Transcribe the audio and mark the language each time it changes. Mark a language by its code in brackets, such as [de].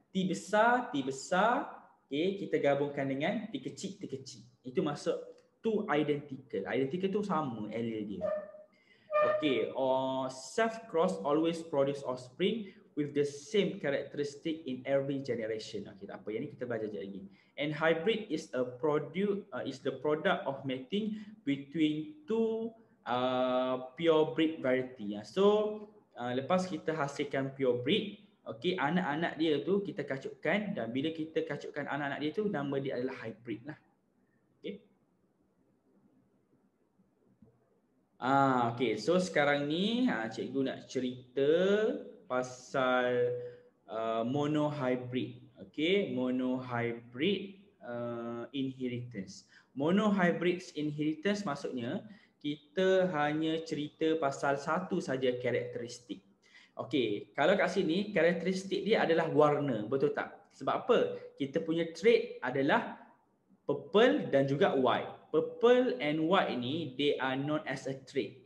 [ms] T besar, okay, kita gabungkan dengan T kecil. Itu maksud [en] two identical. [ms] Identical tu sama allele dia. [en] Okay, self cross always produce offspring with the same characteristic in every generation. Okay, [ms] tak apa. Yang ni kita belajar je lagi. [en] And hybrid is a produce is the product of mating between two purebred variety. [ms] So lepas kita hasilkan purebred, okey, anak-anak dia tu kita kacukkan, dan bila kita kacukkan anak-anak dia tu, nama dia adalah hybrid lah. Okey. Okey, so sekarang ni cikgu nak cerita pasal monohybrid. Okey, monohybrid inheritance. Monohybrid inheritance maksudnya kita hanya cerita pasal satu saja karakteristik. Okey, kalau kat sini karakteristik dia adalah warna, betul tak? Sebab apa? Kita punya trait adalah purple dan juga white. [en] Purple and white [ms] ni [en] they are known as a trait.